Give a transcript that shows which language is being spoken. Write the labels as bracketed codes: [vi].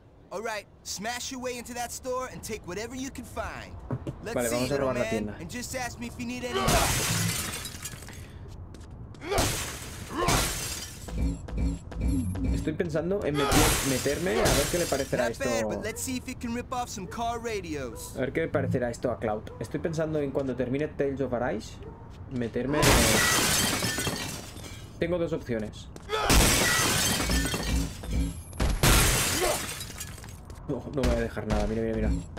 [en] All right, smash your way into that store and take whatever you can find. [es] Let's vale, vamos a robar la tienda. [en] And just ask me if you need any. [es] Estoy pensando en meterme a ver qué le parecerá esto. [en] Let's see if you can rip off some car radios. [es] A ver qué le parecerá esto a Cloud. Estoy pensando en cuando termine Tales of Arise meterme. Tengo dos opciones. No, no voy a dejar nada, mira, mira, mira.